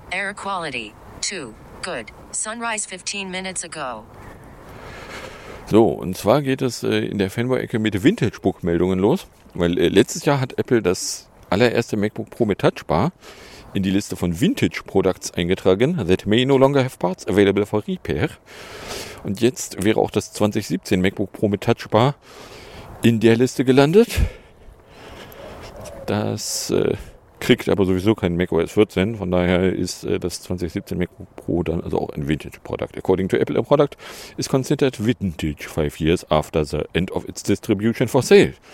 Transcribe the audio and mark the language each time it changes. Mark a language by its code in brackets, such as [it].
[en] Air quality 2. Good. Sunrise 15 minutes ago. [de] So, und zwar geht es in der Fanboy-Ecke mit Vintage-Book-Meldungen los, weil letztes Jahr hat Apple das allererste MacBook Pro mit Touchbar in die Liste von Vintage Products eingetragen. [en] That may no longer have parts available for repair. [de] Und jetzt wäre auch das 2017 MacBook Pro mit Touchbar in der Liste gelandet. Das kriegt aber sowieso kein macOS 14. Von daher ist das 2017 MacBook Pro dann also auch ein Vintage Product. [en] According to Apple, a product is considered vintage 5 years after the end of its distribution for sale.